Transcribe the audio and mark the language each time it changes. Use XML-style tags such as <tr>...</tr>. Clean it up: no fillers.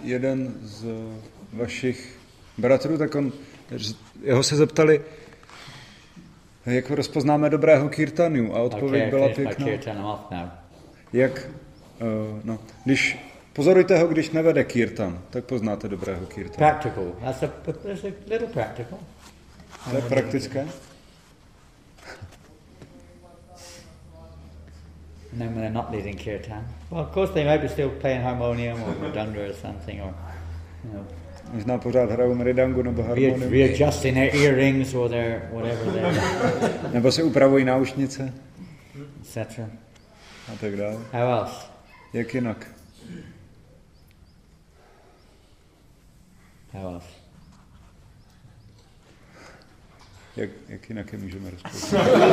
<cs>Jeden z vašich bratrů, tak on, jeho se zeptali, jak rozpoznáme dobrého kirtaniu, a odpověď okay, byla pěkná. Jak, no, když pozorujte ho, když nevede kirtan, tak poznáte dobrého kirtanu.</cs> <en>Practical. That's a little practical.</en> <cs>To je praktické.</cs> <en>And then when they're not leading kirtan, well, of course they might be still playing harmonium or mridanga or something, or,</en> <cs>možná pořád hrajou mridangu nebo harmonium.</cs> <en>Readjusting their earrings or their whatever they are.</en> <cs>Nebo se upravují náušnice.</cs> <en>Etc.</en> <cs>A tak dále.</cs> <en>How else?</en> <cs>Jak jinak?</cs> <en>How else?</en> <cs>Jak jinak je můžeme rozpoznat?</cs>